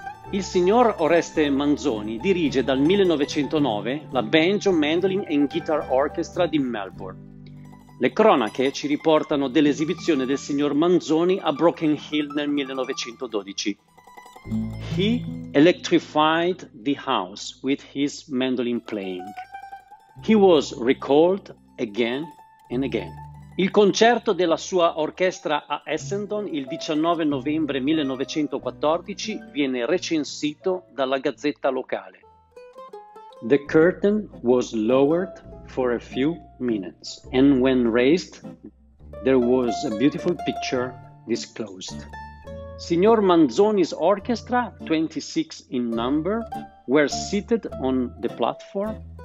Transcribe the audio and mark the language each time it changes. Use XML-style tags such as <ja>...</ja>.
<it>Il signor Oreste Manzoni dirige dal 1909 la Banjo, Mandolin and Guitar Orchestra di Melbourne. Le cronache ci riportano dell'esibizione del signor Manzoni a Broken Hill nel 1912.</it> <en>He electrified the house with his mandolin playing. He was recalled again and again.</en> <it>Il concerto della sua orchestra a Essendon il 19 novembre 1914 viene recensito dalla Gazzetta Locale.</it> <en>The curtain was lowered for a few minutes, and when raised, there was a beautiful picture disclosed. Signor Manzoni's orchestra, 26 in number, were seated on the platform.</en>